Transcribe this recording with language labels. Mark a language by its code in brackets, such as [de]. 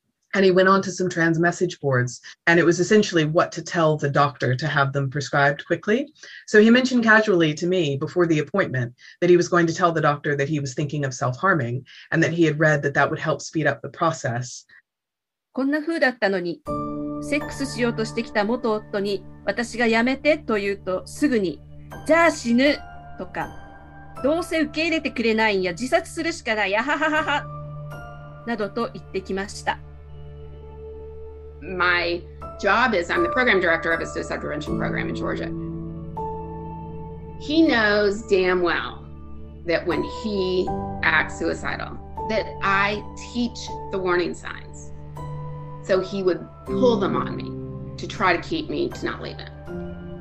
[en] And he went on to some trans message boards, and it was essentially what to tell the doctor to have them prescribed quickly. So he mentioned casually to me before the appointment that he was going to tell the doctor that he was thinking of self-harming, and that he had read that that would help speed up the process. [ja] こんな風だったのに、セックスしようとしてきた元夫に、私がやめてと言うとすぐに、じゃあ死ぬとか、どうせ受け入れてくれないんや、自殺するしかない、やははははなどと言ってきました。 [en] My job is, I'm the program director of a suicide prevention program in Georgia. He knows damn well that when he acts suicidal, that I teach the warning signs. So he would pull them on me to try to keep me to not leave him.